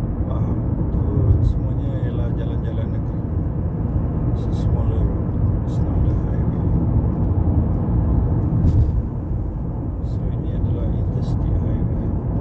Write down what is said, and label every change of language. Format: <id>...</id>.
<ms>Faham tu semuanya ialah jalan-jalan negeri.</ms> <en>It's a smaller road, it's not a highway.</en> <ms>So ini adalah interstate highway.</ms>